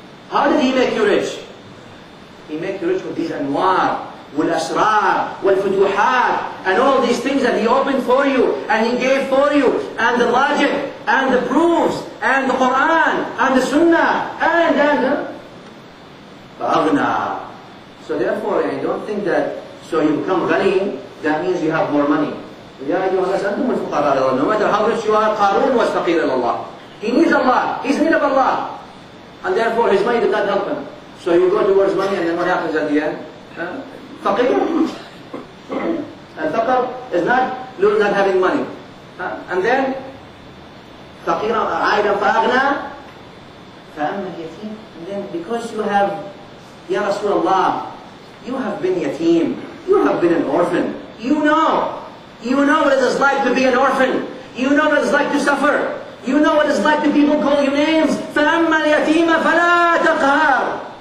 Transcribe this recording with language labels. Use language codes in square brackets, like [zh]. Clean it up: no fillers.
[en] How did he make you rich? He made you rich with these anwar, [ar] والأسرار والفتوحات [en] and all these things that he opened for you and he gave for you and the logic and the proofs and the Quran and the Sunnah and فأغنى. So therefore I don't think that so you become غني that means you have more money. [ar] يا أيها الناس أنتم الفقراء إلى الله. [en] No matter how rich you are, [ar] قارون was فقير إلى الله. [en] He needs Allah. He's in need of Allah. And therefore his money did not help him. So you go towards money and then what happens at the end? [ar] فقير. [en] الفقر is not having money. [ar] And then فقيرا عائدا فأغنى فأما اليتيم. [en] And then because you have, يا رسول الله, you have been يتيم, you have been an orphan, you know what it's like to be an orphan, you know what it's like to suffer, you know what it's like to people call you names. [ar] فأما اليتيم فلا تقهر.